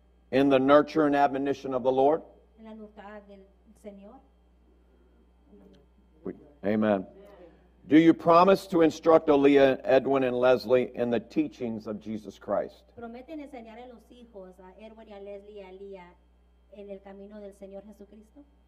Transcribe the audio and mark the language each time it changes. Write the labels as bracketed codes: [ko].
[en] in the nurture and admonition of the Lord. [es] En la nutrición del Señor. [en] Amen. Do you promise to instruct Aaliyah, Edwin, and Leslie in the teachings of Jesus Christ? [es] ¿Prometen enseñar a los hijos, a Edwin y a Leslie y a Aaliyah, en el camino del Señor Jesucristo?